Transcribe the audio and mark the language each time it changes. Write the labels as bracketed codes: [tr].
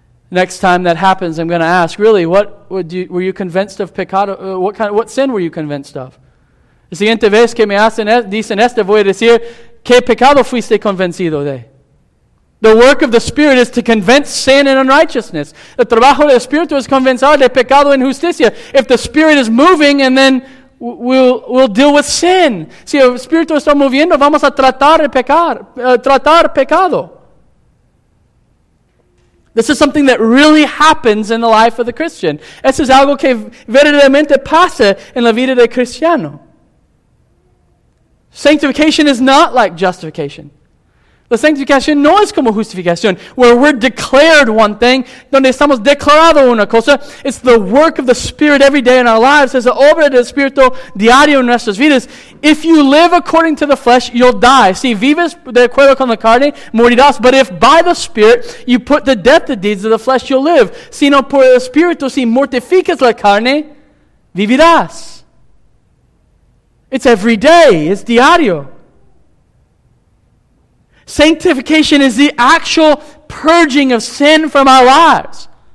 [en] Next time that happens, I'm going to ask, really, were you convinced of pecado? What sin were you convinced of? [es] La siguiente vez que me hacen, dicen esto, voy a decir, ¿qué pecado fuiste convencido de? [en] The work of the Spirit is to convince sin and unrighteousness. [es] El trabajo del Espíritu es convencer de pecado e injusticia. [en] If the Spirit is moving, and then we'll deal with sin. [es] Si el Espíritu está moviendo, vamos a tratar pecado. [en] This is something that really happens in the life of the Christian. [es] Esto es algo que verdaderamente pasa en la vida del cristiano. [en] Sanctification is not like justification. [es] La sanctificación no es como justificación, [en] where we're declared one thing, [es] donde estamos declarado una cosa. [en] It's the work of the Spirit every day in our lives. [es] Es la obra del Espíritu diario en nuestras vidas. [en] If you live according to the flesh, you'll die. [es] Si vives de acuerdo con la carne, morirás. [en] But if by the Spirit you put to death the deeds of the flesh, you'll live. [es] Si no por el Espíritu, si mortificas la carne, vivirás. [en] It's every day. [es] It's diario. [en] Sanctification is the actual purging of sin from our lives.